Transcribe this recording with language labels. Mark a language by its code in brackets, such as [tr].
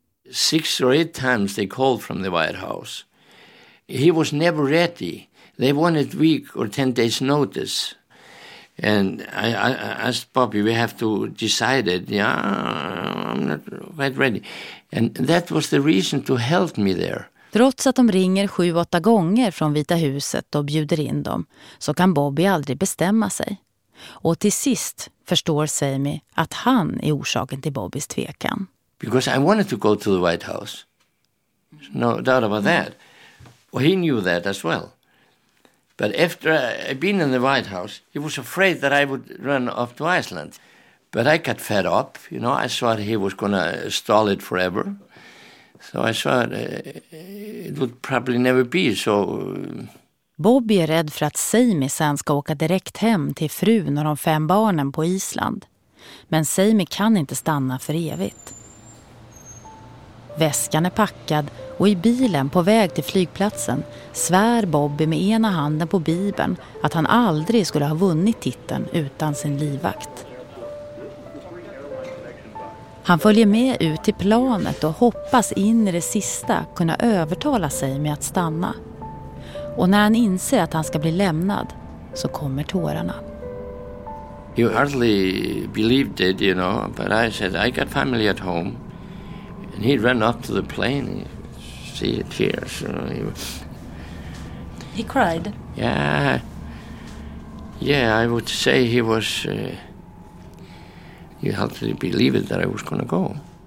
[en] 6 or 8 times they called from the White House. He was never ready. They wanted week or 10 days notice. And I asked Bobby, we have to decide it. Yeah, I'm not quite ready. And that was the reason to help me there. [sv] Trots att de ringer 7-8 gånger från Vita huset och bjuder in dem, så kan Bobby aldrig bestämma sig. Och till sist förstår Sammy att han är orsaken till Bobbys tvekan. Because I wanted to go to the White House. No doubt about that. Well, he knew that as well. But after I'd been in the White House, he was afraid that I would run off to Iceland. But I got fed up, you know. I thought he was gonna stall it forever. So I thought it would probably never be, so... Bobby är rädd för att Sammy sen ska åka direkt hem till frun och de 5 barnen på Island. Men Sammy kan inte stanna för evigt. Väskan är packad och i bilen på väg till flygplatsen svär Bobby med ena handen på Bibeln att han aldrig skulle ha vunnit titeln utan sin livvakt. Han följer med ut till planet och hoppas in i det sista kunna övertala sig med att stanna. Och när han inser att han ska bli lämnad så kommer tårarna. [en] He hardly believed it, you know, but I said I got family at home. And he ran up to the plane, see tears, you know. He cried. Yeah, I would say he was you hardly believe it that I was going to go.